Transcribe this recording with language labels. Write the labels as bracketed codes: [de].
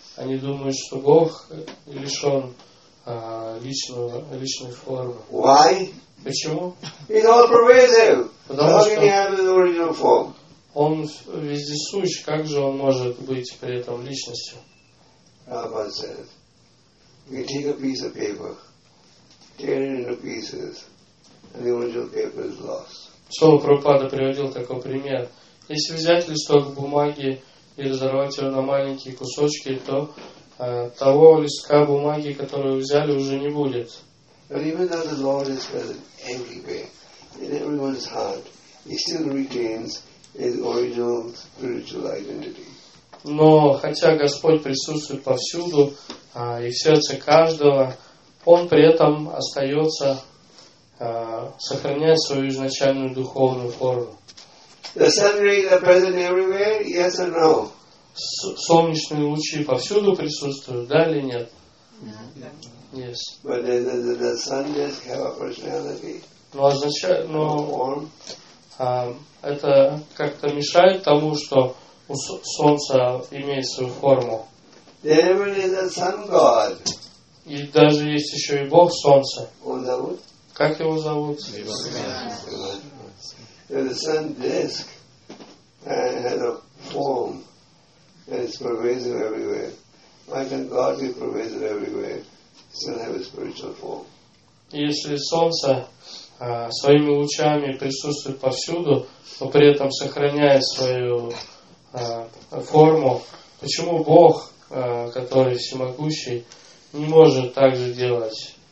[ru] Они думают, что Бог лишен личной формы. [en] Why? [ru] Почему? [en] He's all pervasive. How can he have an original form? [ru] Он вездесущ. Как же он может быть при этом личностью? [en] Prabhupada said, you take a piece of paper, tear it into pieces, and the original paper is lost. [ru] Шрила Прабхупада приводил такой пример. Если взять листок бумаги и разорвать его на маленькие кусочки, то того листка бумаги, который взяли, уже не будет. [en] But even though the Lord is present everywhere, in everyone's heart, he still retains his original spiritual identity. [ru] Но хотя Господь присутствует повсюду, и в сердце каждого, Он при этом остается, сохраняя свою изначальную духовную форму. [en] The sun rays are present everywhere, yes or no? [ru] Солнечные лучи повсюду присутствуют, да или нет? [en] Yes. But the sun does have a personality. [ru] Но означает, но это как-то мешает тому, что у солнца имеет свою форму. [en] There is a sun god. [ru] И даже есть еще и Бог солнца. [en] Who is that? [ru] Как его зовут? [en] The sun disk has a form that is pervasive everywhere. Why can God be pervasive everywhere still have a spiritual form? [ru] Если солнце своими лучами присутствует повсюду, но при этом сохраняет свою форму, почему Бог, который всемогущий, не может так же делать?